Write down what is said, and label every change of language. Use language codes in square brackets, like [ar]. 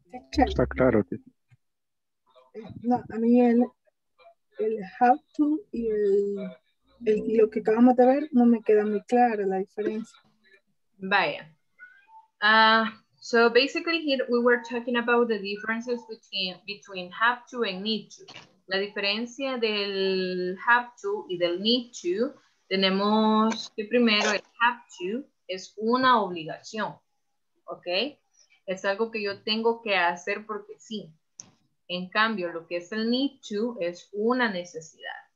[es] Está claro. No, a mí el have to y el lo que acabamos de ver no me queda muy clara la diferencia. Vaya. [en] So basically here we were talking about the differences between have to and need to. [es] La diferencia del have to y del need to, tenemos que primero el have to es una obligación. Okay. Es algo que yo tengo que hacer porque sí. En cambio, lo que es el need to es una necesidad.